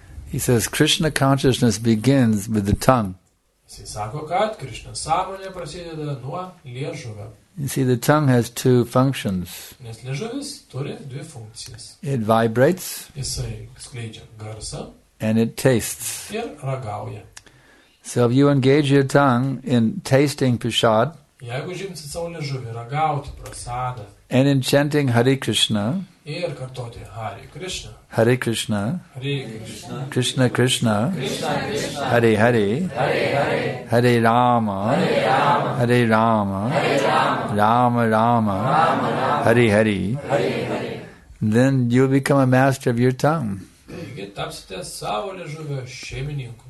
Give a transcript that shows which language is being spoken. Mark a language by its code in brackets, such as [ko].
[en] He says, Krishna consciousness begins with the tongue. [lt] Jis sako, kad Krishna sąmonė prasideda nuo liežuvio. [en] You see, the tongue has two functions. [lt] Nes liežuvis turi dvi funkcijas. [en] It vibrates. [lt] Jisai skleidžia garsą. [en] And it tastes. [lt] Ir ragauja. [en] So if you engage your tongue in tasting prasad, [lt] jeigu žimsi savo liežuvį ragauti prasadą, [en] and in chanting Hare Krishna, [lt] ir kartoti Hare Krishna, [sa] Hare Krishna, Hare Krishna, Krishna Krishna, Krishna Krishna, Hare Hare, Hare Hare, Hare Rama, Hare Rama, Hare Rama, Hare Rama, Rama Rama, Rama Rama, Hare Hare, Hare Hare. [en] Then you'll become a master of your tongue. [lt] Taigi tapsite savo liežuvio šeimininku.